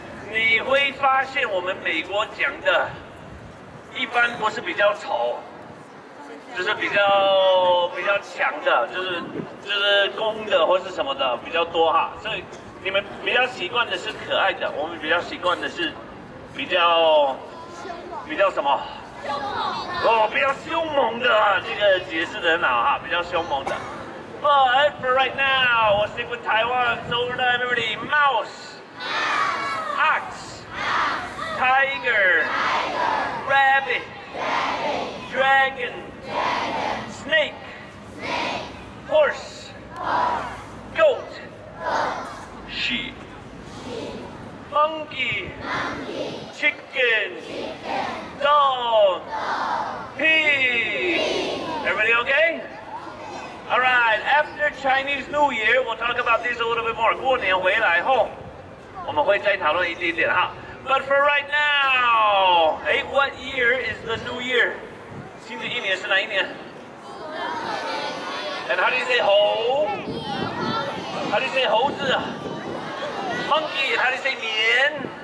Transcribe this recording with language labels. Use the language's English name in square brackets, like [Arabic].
[Chinese] 你会发现我们美国讲的，一般不是比较丑，就是比较强的，就是公的或是什么的比较多哈。所以你们比较习惯的是可爱的，我们比较习惯的是。比较什么？凶猛的哦，比较凶猛的啊，这个解释得很好哈，比较凶猛的。 [English] But for right now, we'll stick with Taiwan. So everybody, mouse, ox, tiger, rabbit, dragon, snake, horse, goat, sheep. Monkey, chicken, dog, pig. Everybody okay? All right. After Chinese New Year, we'll talk about this a little bit more. [Chinese] 过年回来后，我们会再讨论一点点哈。 [English] But for right now, hey, what year is the New Year? [Chinese] 新的一年是哪一年？ [English] And how do you say 猴？How do you say 猴子？ Monkey, how do you say 年